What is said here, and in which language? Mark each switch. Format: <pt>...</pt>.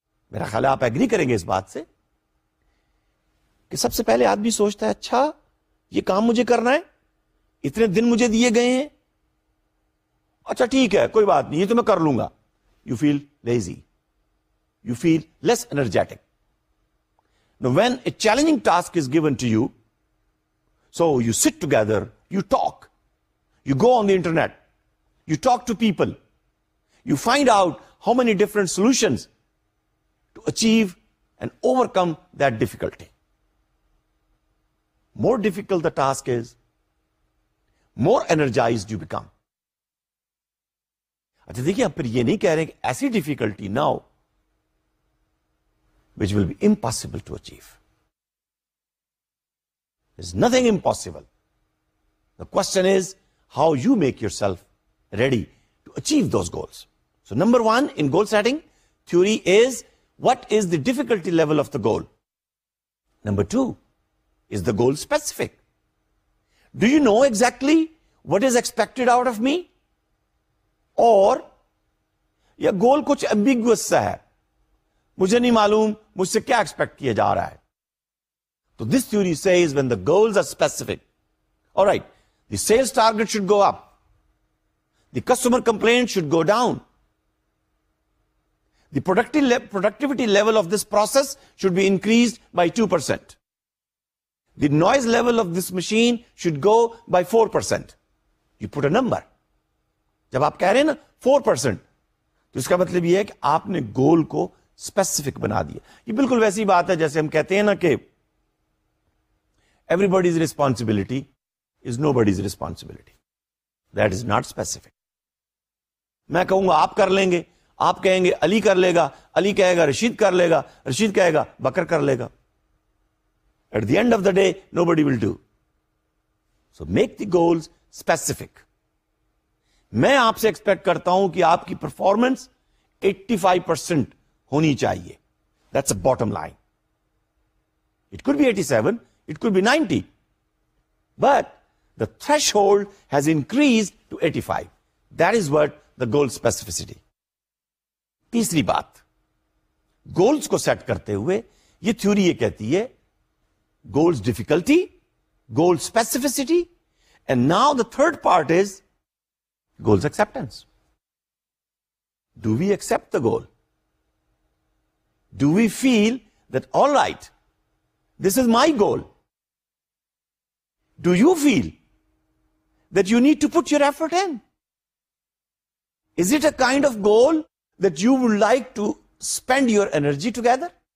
<ur>میرا خیال ہے آپ</ur> <en>agree</en> <ur>کریں گے اس بات سے. سب سے پہلے آدمی سوچتا ہے, اچھا یہ کام مجھے کرنا ہے، اتنے دن مجھے دیے گئے ہیں، اچھا ٹھیک ہے کوئی بات نہیں، یہ تو میں کر لوں گا.</ur> <en>You feel lazy, you feel less energetic. No when a challenging task is given to you, so you sit together, you talk, you go on the internet, you talk to people, you find out how many different solutions to achieve and overcome that difficulty. More difficult the task is, more energized you become.</en> <ur>اچھا دیکھیے، ہم پھر یہ نہیں کہہ رہے کہ ایسی</ur> <en>Difficulty now which will be impossible to achieve. Is nothing impossible. The question is how you make yourself ready to achieve those goals. So number one in goal setting theory is what is the difficulty level of the goal. Number two is the goal specific. Do you know exactly what is expected out of me,</en> <ur>اور یا گول کچھ ambiguous سا ہے، مجھے نہیں معلوم مجھ سے کیا ایکسپیکٹ کیا جا رہا ہے. تو</ur> <en>This theory says when the goals are specific, all right, the sales target should go up, the customer complaint should go down, the productivity level of this process should be increased by 2%، the noise level of this machine should go by 4%. You put a number.</en> <ur>جب آپ کہہ رہے ہیں نا 4%، تو اس کا مطلب یہ ہے کہ آپ نے گول کو اسپیسیفک بنا دیا. یہ بالکل ویسی بات ہے جیسے ہم کہتے ہیں نا کہ</ur> <en>Everybody's responsibility is nobody's responsibility, that is not specific.</en> <ur>میں کہوں گا آپ کر لیں گے، آپ کہیں گے علی کر لے گا، علی کہے گا رشید کر لے گا، رشید کہے گا بکر کر لے گا.</ur> <en>At the end of the day nobody will do. So make the goals specific.</en> <ur>میں آپ سے ایکسپیکٹ کرتا ہوں کہ آپ کی پرفارمنس 85% ہونی چاہیے.</ur> <en>That's a bottom line. It could be 87، it could be 90، but the threshold has increase to 85. That is what the goal specificity.</en> <ur>تیسری بات، گولز کو سیٹ کرتے ہوئے یہ تھیوری یہ کہتی ہے goals difficulty, goal specificity,</ur> <en>And now the third part is goals acceptance. Do we accept the goal? Do we feel that all right, this is my goal? Do you feel that you need to put your effort in? Is it a kind of goal that you would like to spend your energy together?</en>